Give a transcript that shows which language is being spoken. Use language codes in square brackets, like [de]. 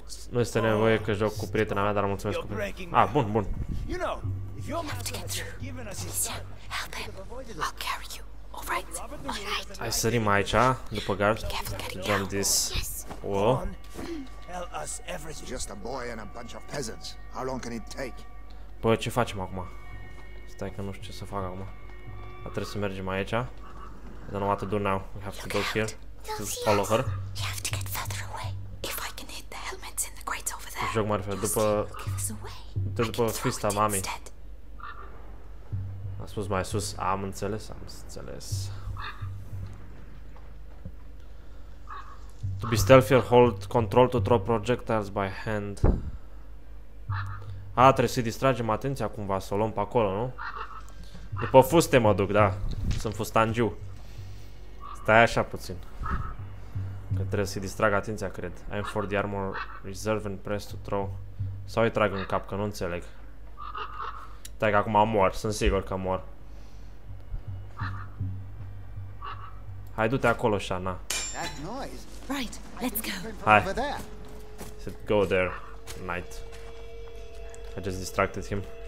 [ro] Nu este nevoie că joc cu prietena mea, dar mulțumesc cu prietena. Ah, bun, bun. [en] You know, if your master has given us his son, help him. I'll carry you. All right. [ro] Hai să sărim aici, după gard. [en] Jump this. Oh. Tell us everything. Just a boy and a bunch of peasants. How long can it take? [ro] Bă, ce facem acum? Stai că nu știu ce să fac acum. Dar trebuie să mergem aici. [en] I don't want to do now. We have to go here. Just follow her. You have to get further away. If I can hit the helmets in the crates over there. [ro] Joc mai repede după după fista mami. A spus mai sus. Am înțeles, am înțeles. [en] To be stealthy or hold control to throw projectiles by hand. [ro] A, trebuie să-i distragem atenția cumva, să o luăm pe acolo, nu? După fuste mă duc, da. Sunt fustangiu. Stai așa puțin. Că trebuie să-i distrag atenția, cred. [en] Aim for the armor reserve and press to throw. [ro] Sau îi trag în cap, că nu înțeleg. Stai că acum mor, sunt sigur că mor. Hai, du-te acolo, Shana. [en] Right, let's go. [ro] Hai. [en] Let's go there, knight. I just distracted him.